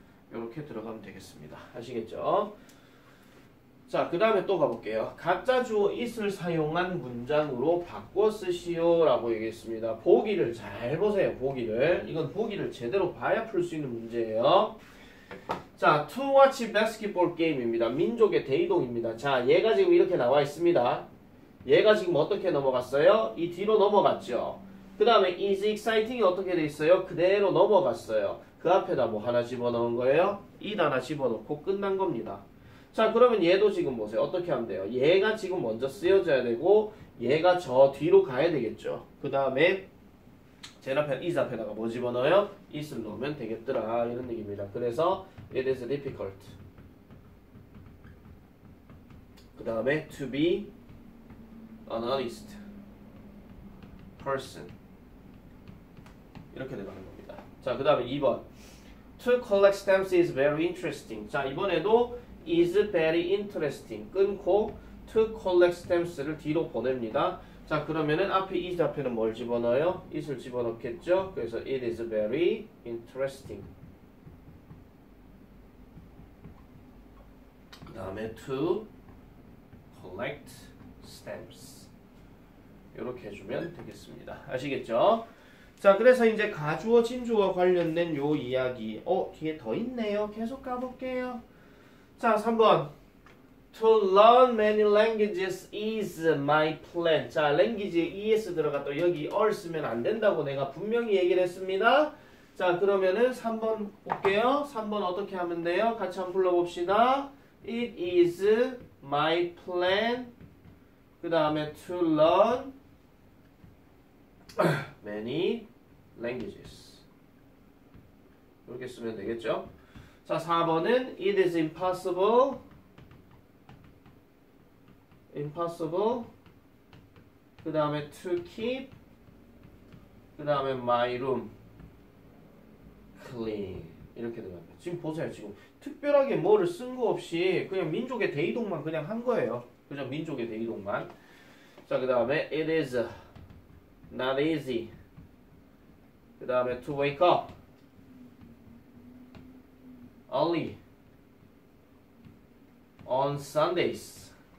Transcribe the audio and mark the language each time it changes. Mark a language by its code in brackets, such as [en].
[ko] 이렇게 들어가면 되겠습니다. 아시겠죠? 자, 그 다음에 또 가볼게요. 가짜 주어 it을 사용한 문장으로 바꿔 쓰시오라고 얘기했습니다. 보기를 잘 보세요. 보기를. 이건 보기를 제대로 봐야 풀수 있는 문제예요. [en] 자, to watch basketball game입니다. [ko] 민족의 대이동입니다. 자, 얘가 지금 이렇게 나와 있습니다. 얘가 지금 어떻게 넘어갔어요? 이 뒤로 넘어갔죠. 그 다음에 [en] is exciting [ko] 이 어떻게 돼 있어요? 그대로 넘어갔어요. 그 앞에다 뭐 하나 집어넣은 거예요? it 하나 집어넣고 끝난 겁니다. 자, 그러면 얘도 지금 보세요. 어떻게 하면 돼요? 얘가 지금 먼저 쓰여져야 되고, 얘가 저 뒤로 가야 되겠죠. 그 다음에, 제라펜 이즈 앞에다가 뭐 집어넣어요? 이슬 넣으면 되겠더라 이런 얘기입니다. 그래서 [en] it is difficult. [ko] 그 다음에 [en] to be an honest person [ko] 이렇게 되는 겁니다. 자, 그 다음에 2번 [en] to collect stamps is very interesting. [ko] 자, 이번에도 [en] is very interesting [ko] 끊고 [en] to collect stamps [ko] 를 뒤로 보냅니다. 자, 그러면은 앞에 is 앞에는 뭘 집어넣어요? is를 집어넣겠죠? 그래서 [en] it is very interesting. [ko] 그 다음에 [en] to collect stamps [ko] 이렇게 해주면 되겠습니다. 아시겠죠? 자, 그래서 이제 가주어 진주어 관련된 요 이야기. 뒤에 더 있네요. 계속 가볼게요. 자, 3번. [en] To learn many languages is my plan. [ko] 자, [en] language is [ko] 들어갔다. 여기 or 쓰면 안 된다고 내가 분명히 얘기를 했습니다. 자, 그러면은 3번 볼게요. 3번 어떻게 하면 돼요? 같이 한번 불러봅시다. [en] It is my plan. [ko] 그 다음에 [en] to learn many languages. [ko] 이렇게 쓰면 되겠죠? 자, 4번은 [en] It is impossible. Impossible. [ko] 그 다음에 [en] to keep. [ko] 그 다음에 [en] my room clean. [ko] 이렇게 들어갑니다. 지금 보세요. 지금 특별하게 뭐를 쓴거 없이 그냥 민족의 대이동만 그냥 한 거예요. 그냥 민족의 대이동만. 자, 그 다음에 [en] it is not easy. 그 다음에 to wake up early on Sundays.